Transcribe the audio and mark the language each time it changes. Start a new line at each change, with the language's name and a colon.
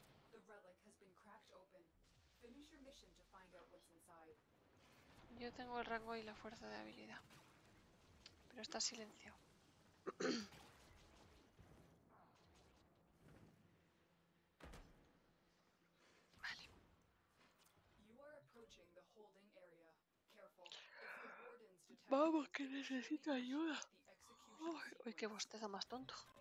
English: The relic has been cracked open. Finish your mission to find out what's inside.
Spanish: Yo tengo el rango y la fuerza de habilidad. Pero está silencio. Vale.
English: You are approaching the holding area. Careful.
Spanish: Vamos, que necesito ayuda. Uy, qué bostezo más tonto.